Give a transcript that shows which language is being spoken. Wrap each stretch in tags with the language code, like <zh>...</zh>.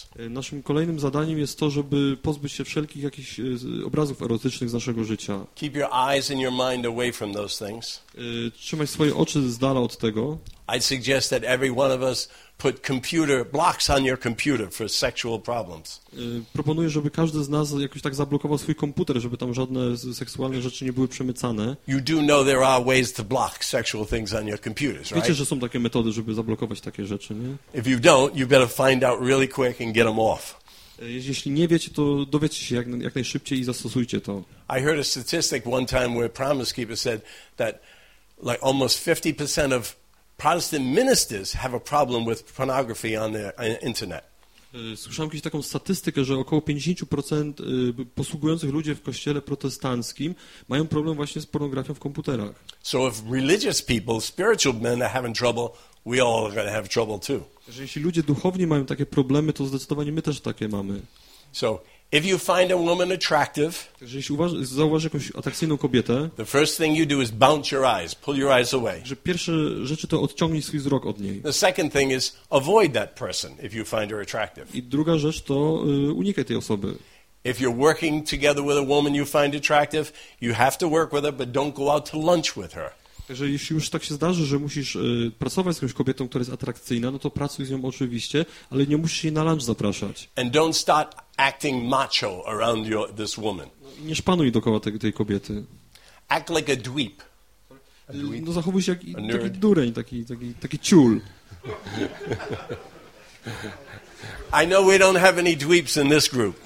<pl>Naszym kolejnym zadaniem jest to, żeby pozbyć się wszelkich jakichś obrazów erotycznych z naszego życia.</pl> <en>Keep your eyes and your mind away from those things.</en> <pl>Trzymaj swoje oczy z dala od tego.</pl> <en>I'd suggest that every one of us put computer blocks on your computer for sexual problems.</en> <pl>Proponuję, żeby każdy z nas jakoś tak zablokował swój komputer, żeby tam żadne seksualne rzeczy nie były przemycane.</pl> <en>You do know there are ways to block sexual things on your computers, right?</en> <pl>Wiecie, że są takie metody, żeby zablokować takie rzeczy, nie?</pl> <en>If you don't, you better find out really quick and get them off.</en> <pl>Jeśli nie wiecie, to dowiedzcie się jak najszybciej i zastosujcie to.</pl> <en>I heard a statistic one time where Promise Keeper said that like almost 50% of Protestant ministers have a problem with pornography on the internet.</en> <pl>Słyszałem kiedyś taką statystykę, że około 50% posługujących ludzi w kościele protestanckim mają problem właśnie z pornografią w komputerach.</pl> <en>So if religious people, spiritual men are having trouble, we all are going to have trouble too.</en> <pl>Jeśli ludzie duchowni mają takie problemy, to zdecydowanie my też takie mamy.</pl> <en>So if you find a woman attractive,</en> <pl>jeśli zauważysz jakąś atrakcyjną kobietę,</pl> <en>the first thing you do is bounce your eyes, pull your eyes away.</en> <pl>Że pierwsze rzeczy to odciągnij swój wzrok od niej.</pl> <en>The second thing is avoid that person if you find her attractive.</en> <pl>I druga rzecz to unikaj tej osoby.</pl> <en>If you're working together with a woman you find attractive, you have to work with her, but don't go out to lunch with her.</en> <pl>Także jeśli już tak się zdarzy, że musisz pracować z jakąś kobietą, która jest atrakcyjna, no to pracuj z nią oczywiście, ale nie musisz jej na lunch zapraszać.</pl> <en>And don't start acting macho around this woman.</en> <pl>Nie szpanuj dookoła tej kobiety.</pl> <en>Act like a dweep.</en> <pl>No, zachowuj się jak taki dureń, taki ciul.</pl> <en>I know we don't have any dweeps in this group.</en>